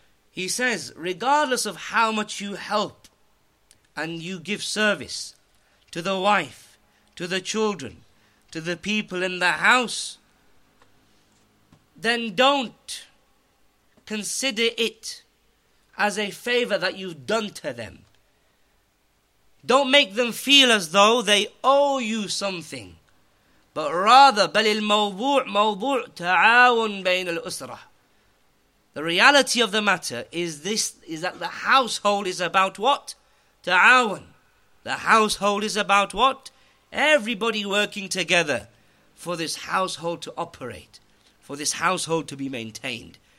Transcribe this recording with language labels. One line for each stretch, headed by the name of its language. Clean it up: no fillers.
English: He says, regardless of how much you help and you give service to the wife, to the children, to the people in the house, then don't consider it as a favor that you've done to them. Don't make them feel as though they owe you something.
Arabic: But rather, بل الموضوع موضوع تعاون بين الأسرة.
English: The reality of the matter is this, is that the household is about what? تعاون. The household is about what? Everybody working together for this household to operate, for this household to be maintained.